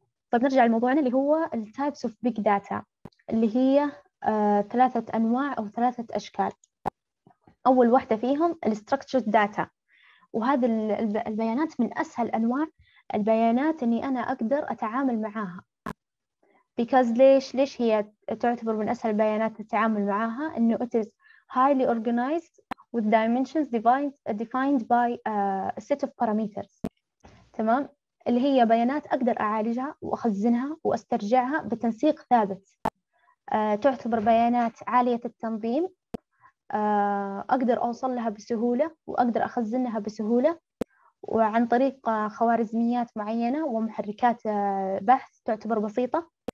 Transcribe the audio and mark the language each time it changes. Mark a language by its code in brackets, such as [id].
[ar] طب نرجع لموضوعنا اللي هو الـ Types of Big Data، اللي هي 3 أنواع أو 3 أشكال. أول واحدة فيهم الـ Structured Data، وهذه البيانات من أسهل أنواع البيانات أني أنا أقدر أتعامل معها. [en] Because [ar] ليش هي تعتبر من أسهل البيانات التعامل معها؟ أنه [en] it is highly organized with dimensions defined by a set of parameters. [ar] تمام؟ اللي هي بيانات أقدر أعالجها وأخزنها وأسترجعها بتنسيق ثابت. تعتبر بيانات عالية التنظيم، أقدر أوصل لها بسهولة وأقدر أخزنها بسهولة، وعن طريق خوارزميات معينة ومحركات بحث تعتبر بسيطة.